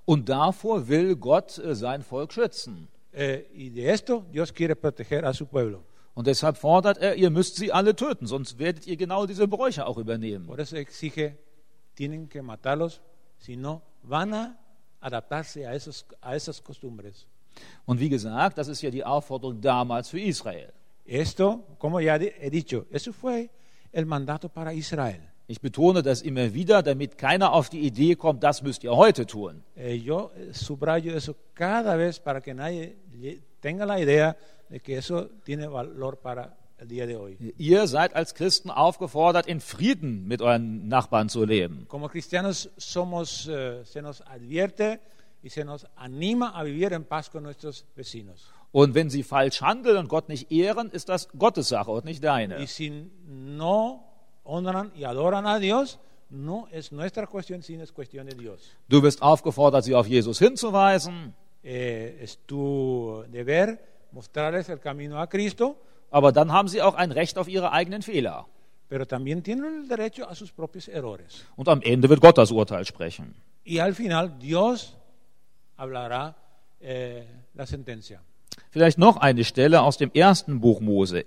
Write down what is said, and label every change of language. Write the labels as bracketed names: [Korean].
[German] Und davor will Gott sein Volk schützen. [Spanish] Y de esto Dios quiere proteger a su pueblo. [German] Und deshalb fordert er, ihr müsst sie alle töten, sonst werdet ihr genau diese Bräuche auch übernehmen. [Spanish] Por eso exige, tienen que matarlos, si no van a adaptarse a esas costumbres. [German] Und wie gesagt, das ist ja die Aufforderung damals für Israel. [Spanish] Esto, como ya he dicho, eso fue el mandato para Israel. [German] Ich betone das immer wieder, damit keiner auf die Idee kommt, das müsst ihr heute tun. [Spanish] Yo subrayo eso cada vez para que nadie tenga la idea de que eso tiene valor para el día de hoy. [German] Ihr seid als Christen aufgefordert, in Frieden mit euren Nachbarn zu leben. [Spanish] Como cristianos somos, se nos advierte y se nos anima a vivir en paz con nuestros vecinos. [German] Und wenn sie falsch handeln und Gott nicht ehren, ist das Gottes Sache und nicht deine. [Spanish] Y si no honran y adoran a Dios, no es nuestra cuestión, sino es cuestión de Dios. [German] Du bist aufgefordert, sie auf Jesus hinzuweisen. [Spanish] Es tu deber mostrarles el camino a Cristo. [German] Aber dann haben sie auch ein Recht auf ihre eigenen Fehler. [Spanish] Pero también tienen el derecho a sus propios errores. [German] Und am Ende wird Gott das Urteil sprechen. [Spanish] Y al final Dios hablará la sentencia. [German] Vielleicht noch eine Stelle aus dem ersten Buch Mose.